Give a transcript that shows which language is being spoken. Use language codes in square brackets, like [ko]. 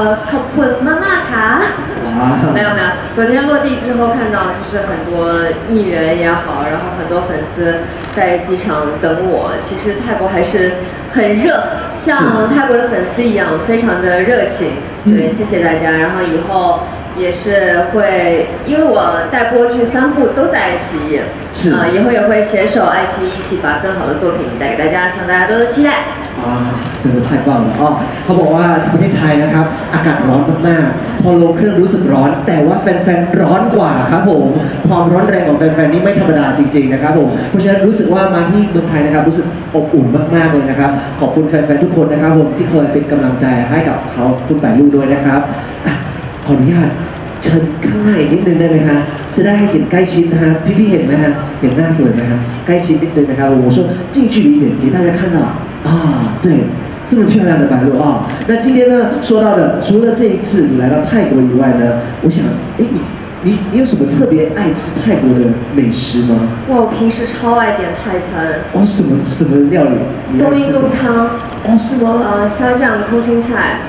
[th] ขอบคุณมากมากค่ะไม่ [zh] 有没有昨天落地之后看到就是很多议员也好然后很多粉丝在机场等我其实泰国还是很热像泰国的粉丝一样非常的热情对谢谢大家然后以后也是会因为我带播剧三部都在爱奇艺是以后也会携手爱奇艺一起把更好的作品带给大家希望大家多多期待啊真的太棒了啊 [th] เขาบอกว่าที่ประเทศไทยนะครับอากาศร้อนมากๆพอลงเครื่องรู้สึกร้อนแต่ว่าแฟนๆร้อนกว่าครับผมความร้อนแรงของแฟนๆนี่ไม่ธรรมดาจริงๆนะครับผมเพราะฉะนั้นรู้สึกว่ามาที่เมืองไทยนะครับรู้สึกอบอุ่นมากๆเลยนะครับขอบคุณแฟนๆทุกคนนะครับผมที่คอยเป็นกำลังใจให้กับเขาคุณแปรลูกด้วยนะครับ ขออนุญาตเชิญข้างในนิดนึงได้ไหมฮะจะได้ให้เห็นใกล้ชิดนะฮะพี่ๆเห็นไหมฮะเห็นหน้าสวยไหมฮะใกล้ชิดนิดนึงนะครับผมช่วง [zh] 近距离一点给大家看到啊对这么漂亮的白鹿啊、 [th] 哦！ [zh] 那今天呢，说到的除了这一次你来到泰国以外呢，我想，哎，你有什么特别爱吃泰国的美食吗？我平时超爱点泰餐。哦，什么料理？冬阴功汤。哦，是吗？虾酱空心菜